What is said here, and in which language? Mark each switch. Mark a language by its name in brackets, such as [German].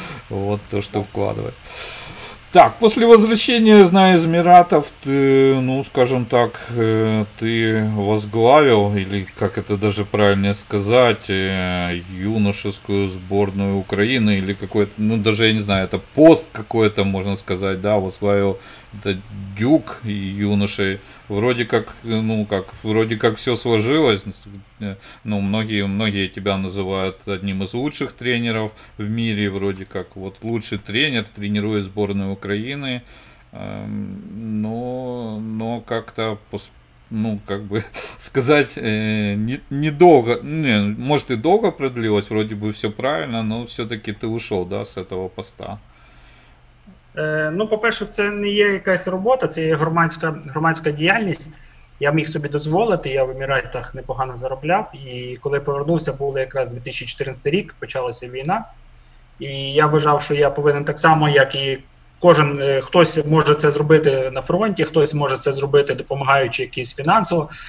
[Ukrainian] От те, що вкладає. Так, після повернення, знаю, з Міратів, ну, скажімо так, ти возглавив, або, як це навіть правильно сказати, юношескую збірну України, або якийсь, ну, навіть, я не знаю, це пост якийсь, можна сказати, да, возглавив Дюк юноши. [Russian] Вроде как, ну, как, вроде как все сложилось. Ну, многие тебя называют одним из лучших тренеров в мире, вроде как. Вот лучший тренер, тренирует сборную Украины. Но как-то, ну, как бы сказать, недолго, не, может и долго продлилось, вроде бы все правильно, но все-таки ты ушел, да, с этого поста. [Ukrainian] Ну, по-перше, це не є якась робота, це є громадська діяльність. Я міг собі дозволити, я в Еміратах непогано заробляв. І коли повернувся, був якраз 2014 рік, почалася війна. І я вважав, що я повинен так само, як і кожен, хтось може це зробити на фронті, хтось може це зробити, допомагаючи якісь фінансово.